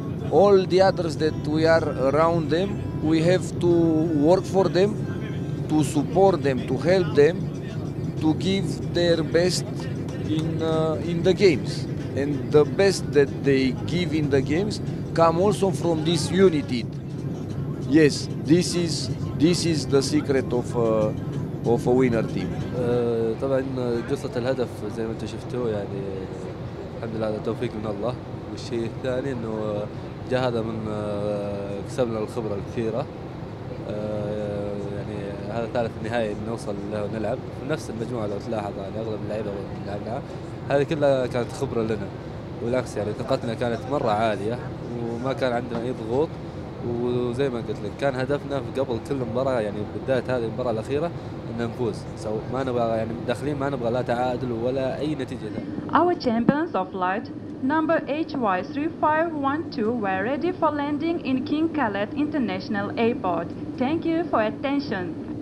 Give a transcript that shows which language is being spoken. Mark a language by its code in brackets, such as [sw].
[en] All the others that we are around them, we have to work for them, to support them, to help them, to give their best in the games. And the best that they give in the games come also from this unity. Yes, this is the secret of a winner team. [ar] طبعا قصة الهدف زي ما انتم شفتوا يعني الحمد لله هذا توفيق من الله. والشيء الثاني انه جاء هذا من كسبنا الخبرة الكثيرة. يعني هذا ثالث نهائي نوصل له ونلعب في نفس المجموعة لو تلاحظ يعني اغلب اللعيبة اللي لعبناها هذه كلها كانت خبرة لنا. بالعكس يعني ثقتنا كانت مرة عالية وما كان عندنا اي ضغوط. وزي ما قلت لك كان هدفنا في قبل كل مباراة يعني بداية هذه المباراة الأخيرة إن نفوز. سو ما نبغى يعني داخلين ما نبغى لا تعادل ولا أي نتيجة. [en] Our champions of light number HY3512 were ready for landing in King Khaled International Airport. Thank you for attention.